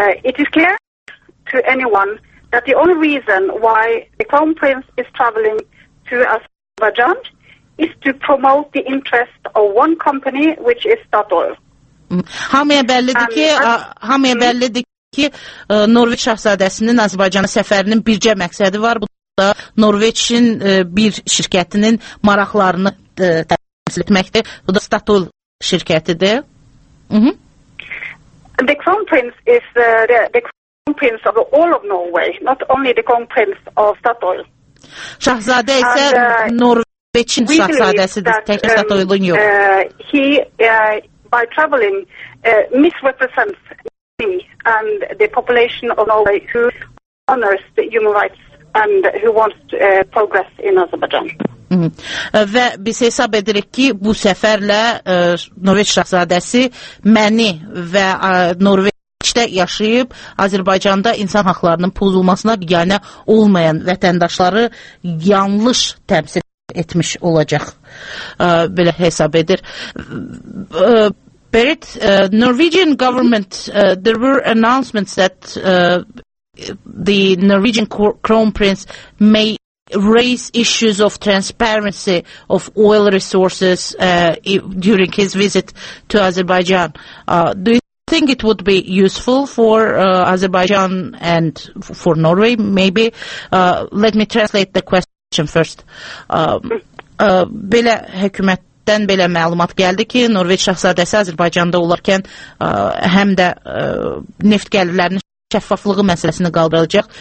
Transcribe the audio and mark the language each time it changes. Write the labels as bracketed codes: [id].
[en] It is clear to anyone that the only reason why the Crown Prince is traveling to Azerbaijan is to promote the interest of one company, which is Statoil. [az] Hamıya bəllidir ki, Norveç şahzadəsinin Azərbaycana səfərinin bircə məqsədi var. Bu da Norveçin bir şirkətinin maraqlarını təhsil etməkdir. Bu da Statoil şirkətidir. [en] The Crown Prince is the Crown Prince of all of Norway, not only the Crown Prince of Statoil. [az] Şahzadə isə Norveçin şahzadəsidir, tək Statoilun yox. [en] He, by travelling, misrepresents me and the population of Norway who honors the human rights and who wants progress in Azerbaijan. [az] Və biz hesab edirik ki, bu səfərlə Norveç şahzadəsi məni və Norveçdə yaşayıb Azərbaycanda insan haqlarının pozulmasına biganə olmayan vətəndaşları yanlış təmsil etmiş olacaq. Belə hesab edir. [en] Berit, Norwegian government, there were announcements that the Norwegian Crown Prince may raise issues of transparency of oil resources during his visit to Azerbaijan. Do you think it would be useful for Azerbaijan and for Norway, maybe? Let me translate the question first. [az] Belə hökumətdən belə məlumat gəldi ki, Norveç şahzadəsi Azərbaycanda olarkən həm də neft gəlirlərinin şəffaflığı məsələsini qaldıracaq.